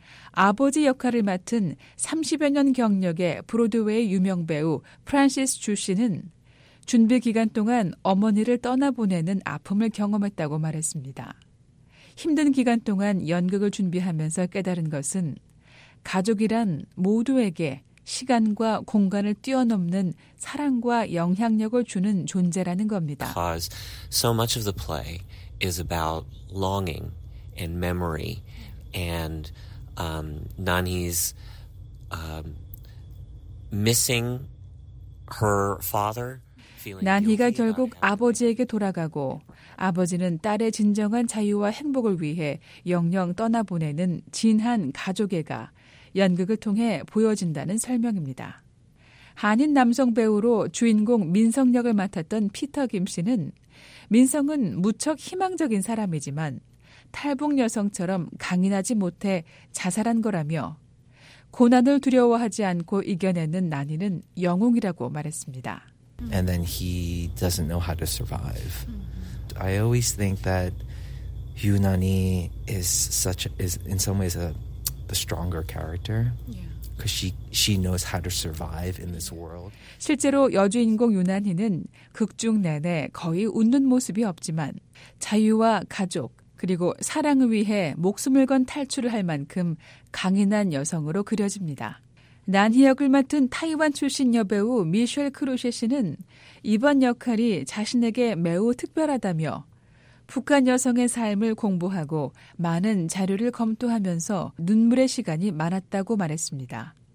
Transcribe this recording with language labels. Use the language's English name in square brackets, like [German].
[Korean] 아버지 역할을 맡은 30여 년 경력의 브로드웨이 유명 배우 프란시스 주 씨는 준비 기간 동안 어머니를 떠나보내는 아픔을 경험했다고 말했습니다. 힘든 기간 동안 연극을 준비하면서 깨달은 것은 가족이란 모두에게 시간과 공간을 뛰어넘는 사랑과 영향력을 주는 존재라는 겁니다. [English] Because so much of the play is about longing and memory and Nani's missing her father. [Korean] 난희가 결국 아버지에게 돌아가고 아버지는 딸의 진정한 자유와 행복을 위해 영영 떠나보내는 진한 가족애가 연극을 통해 보여진다는 설명입니다. 한인 남성 배우로 주인공 민성 역을 맡았던 피터 김 씨는 민성은 무척 희망적인 사람이지만 탈북 여성처럼 강인하지 못해 자살한 거라며 고난을 두려워하지 않고 이겨내는 난희는 영웅이라고 말했습니다. [English] And then he doesn't know how to survive. I always think that Yunani is in some ways the stronger character. Because she knows how to survive in this world. [Korean] 실제로 여주인공 유난희는 극중 내내 거의 웃는 모습이 없지만 자유와 가족 그리고 사랑을 위해 목숨을 건 탈출을 할 만큼 강인한 여성으로 그려집니다. 난희 역을 맡은 타이완 출신 여배우 미셸 크루셰 씨는 이번 역할이 자신에게 매우 특별하다며 북한 여성의 삶을 공부하고 많은 자료를 검토하면서 눈물의 시간이 많았다고 말했습니다.